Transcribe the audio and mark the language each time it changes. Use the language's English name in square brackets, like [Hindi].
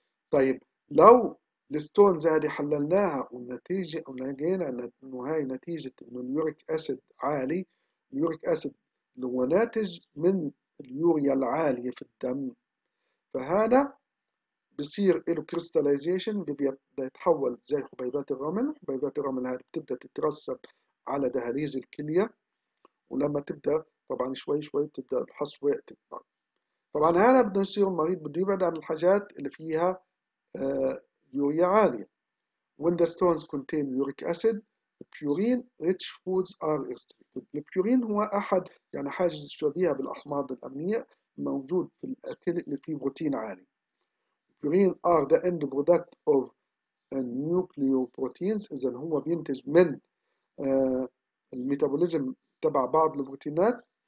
[Arabic] طيب لو الستونز هذه حللناها والنتيجة ولقينا إنه هاي نتيجة إنه اليوريك أسيد عالي، اليوريك أسيد اللي هو ناتج من اليوريا العالية في الدم، فهذا بصير له كريستاليزيشن، بيتحول زي حبيبات الرمل. حبيبات الرمل هذه بتبدا تترسب على دهاليز الكليه، ولما تبدا طبعا شوي شوي بتبدا الحصوه تكبر. طبعا هذا بده يصير المريض بده يبعد عن الحاجات اللي فيها يوريا عاليه. [English] When the stones contain uric acid, purine rich foods are excreted. [Arabic] البيورين هو احد يعني حاجز شبيهه بالاحماض الامنيه موجود في الاكل اللي فيه بروتين عالي. [English] Purine are the end product of nucleoproteins. [Arabic] إذا هو بينتج من الميتابوليزم تبع بعض البروتينات.